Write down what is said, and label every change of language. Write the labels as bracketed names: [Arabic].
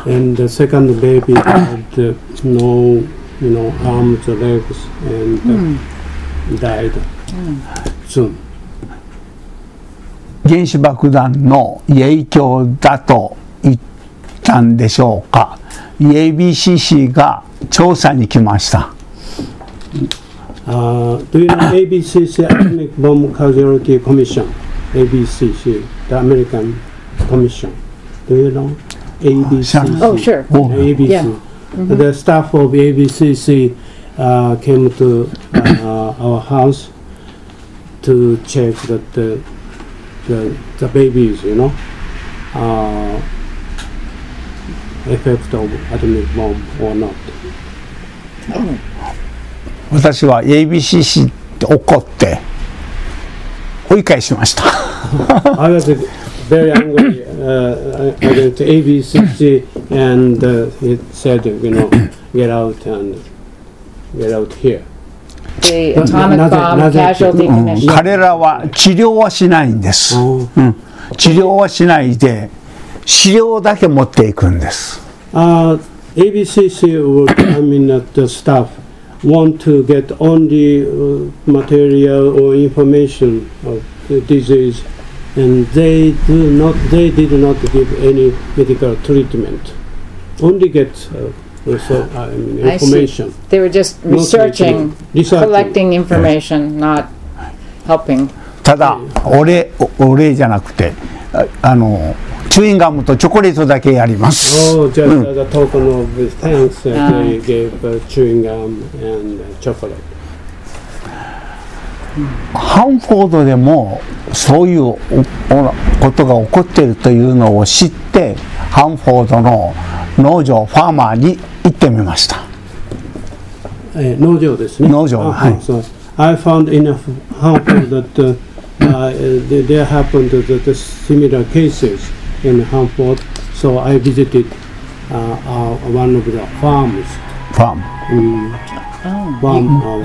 [English] And the second baby had no, you know, arms or legs and died. [Japanese] 原子爆弾の影響だと言ったんでしょうか。 ABCC が調査に来ました。 [English] Do you know ABCC Atomic Bomb Casualty Commission? ABCC, the American Commission. Do you know ABCC? Oh, sure. ABC. Yeah. Mm-hmm. The staff of ABCC came to our houseto check that the babies, you know, effect of atomic bomb or not. [Japanese] 私は ABCC って怒って追い返しました。 [English] I was very angry against ABCC and it said, you know, get out here. [Japanese] 彼らは治療はしないんです、治療はしないで資料だけ持っていくんです。 [English] ABCC would come in at the staff want to get only material or information of the disease and they did not give any medical treatment only get information. I see. They were just researching, collecting information, not helping. [Japanese] ただ、お礼じゃなくて、チューインガムとチョコレートだけやります。 [English] Oh, just as a token of thanks, they gave chewing gum and chocolate. [Japanese] ハンフォードでもそういうことが起こっているというのを知って、ハンフォードの農場ファーマーに行ってみました。農場ですね。農場、はい。 [English] So I found enough Hanford that there happened that similar cases in Hanford. So I visited one of the farms. Farm. Farm.